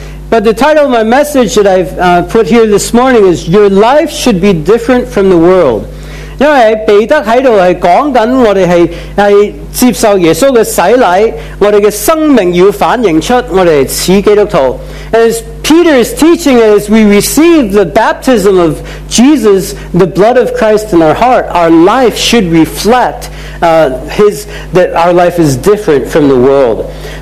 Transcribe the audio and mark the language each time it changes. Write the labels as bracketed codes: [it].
[en] but the title of my message that I've put here this morning is Your Life Should Be Different from the World. [zh] 因为彼得在这里是说我们是接受耶稣的洗礼，我们的生命要反映出我们是似基督徒。 [en] As Peter is teaching, as we receive the baptism of Jesus, the blood of Christ in our heart, our life should reflect that our life is different from the world.